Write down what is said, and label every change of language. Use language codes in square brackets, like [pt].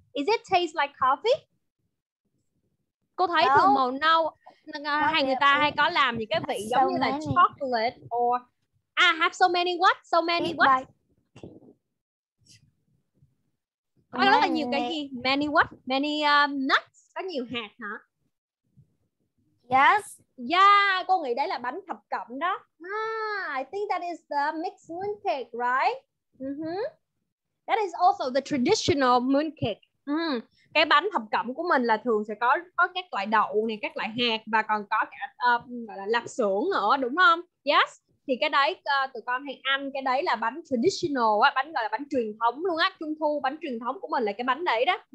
[en] Is it taste like coffee? [vi] Cô thấy thường màu nâu hay người ta hay có làm những cái vị giống như là chocolate [en] or have so many what? So many what? [vi] Có rất là nhiều cái gì? [en] Many what? Many nuts? [vi] Có nhiều hạt hả? [en] Yes. [vi] Yeah, cô nghĩ đấy là bánh thập cẩm đó. [en] I think that is the mixed moon cake, right? Mm-hmm. That is also the traditional moon cake. Mm. [vi] Cái bánh thập cẩm của mình là thường sẽ có các loại đậu này, các loại hạt và còn có cả gọi là lạp xưởng nữa, đúng không? [en] Yes. [vi] Thì cái đấy tụi con hay ăn, cái đấy là bánh traditional á, bánh gọi là bánh truyền thống luôn á, Trung thu bánh truyền thống của mình là cái bánh đấy đó.